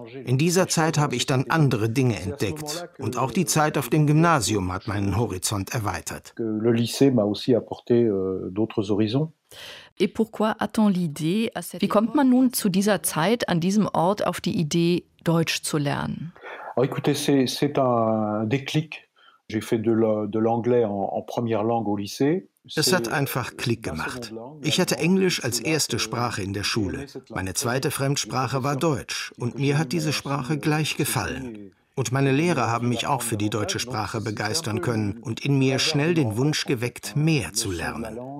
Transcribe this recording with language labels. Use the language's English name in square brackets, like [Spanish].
[German] In dieser Zeit habe ich dann andere Dinge entdeckt. Und auch die Zeit auf dem Gymnasium hat meinen Horizont erweitert. Wie kommt man nun zu dieser Zeit, an diesem Ort, auf die Idee, Deutsch zu lernen? [French] Écoutez, c'est un déclic. J'ai fait de l'anglais en première langue au lycée. [German] Es hat einfach Klick gemacht. Ich hatte Englisch als erste Sprache in der Schule. Meine zweite Fremdsprache war Deutsch und mir hat diese Sprache gleich gefallen. Und meine Lehrer haben mich auch für die deutsche Sprache begeistern können und in mir schnell den Wunsch geweckt, mehr zu lernen.